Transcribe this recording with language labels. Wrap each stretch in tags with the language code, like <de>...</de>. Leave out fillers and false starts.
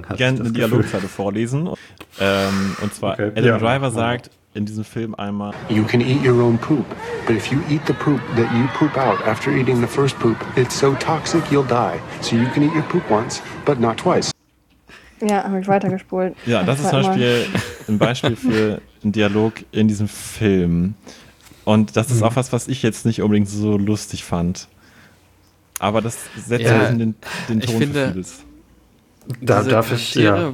<de>Ich wollte gerne eine Dialogzeile vorlesen. Und zwar, okay. Adam Driver sagt in diesem Film einmal:</de> <en>You can eat your own poop, but if you eat the poop that you poop out after eating the first poop, it's so toxic you'll die. So you can eat your poop once, but not twice.</en> <de>Ja, habe ich weitergespult. Ja, das ist zum Beispiel ein Beispiel für einen Dialog in diesem Film. Und das ist auch was, was ich jetzt nicht unbedingt so lustig fand. Aber das setzt ja den Ton für vieles. Da, diese darf ich, ja.</de>